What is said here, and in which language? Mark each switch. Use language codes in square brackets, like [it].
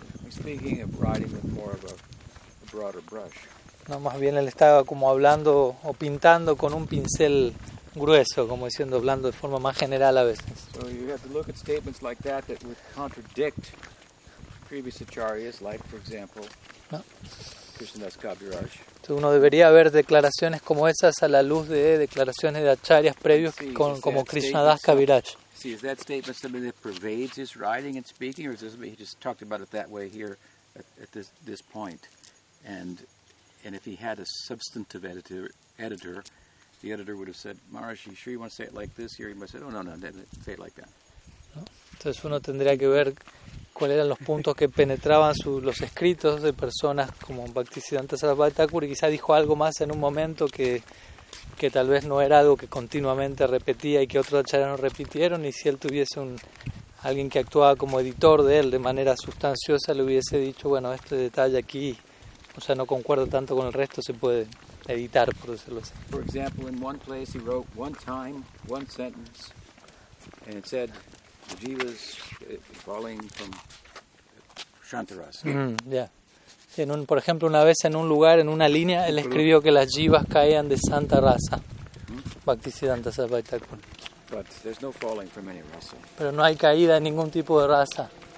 [en] Speaking of writing with more of a broader brush. [es] No, más bien él estaba como hablando o pintando con un pincel grueso, como diciendo, hablando de forma más general a veces. [en] So you have to look at statements like that that would contradict previous acharyas, like for example, no. Krishnadas Kaviraj. [es] Uno debería ver declaraciones como esas a la luz de declaraciones de acharyas previos con, como Krishnadas Kaviraj. [en] See, is that statement something that pervades his writing and speaking, or is this he just talked about it that way here at this point? And if he had a substantive editor, the editor would have said, Maharaj, you sure you want to say it like this? Here he must have said, oh, no, say it like that. [es] ¿No? Entonces uno tendría que ver cuáles eran los puntos que penetraban los escritos de personas como Bhaktisiddhanta Sarasvati Thakur, y quizá dijo algo más en un momento que tal vez no era algo que continuamente repetía y que otros acharyas no repitieron, y si él tuviese alguien que actuaba como editor de él de manera sustanciosa, le hubiese dicho, bueno, este detalle aquí, o sea, no concuerda tanto con el resto, se puede editar, por decirlo así. [en] For example, in one place he wrote one time, one sentence, and it said, the jivas falling from Shantarasa. [es] Por ejemplo, una vez en un lugar, en una línea, él escribió que las jivas caían de Santa Rasa. Bhaktisiddhanta Sarasvati Thakur. [en] But there's no falling from any rasa. [es] Pero no hay caída de ningún tipo de rasa.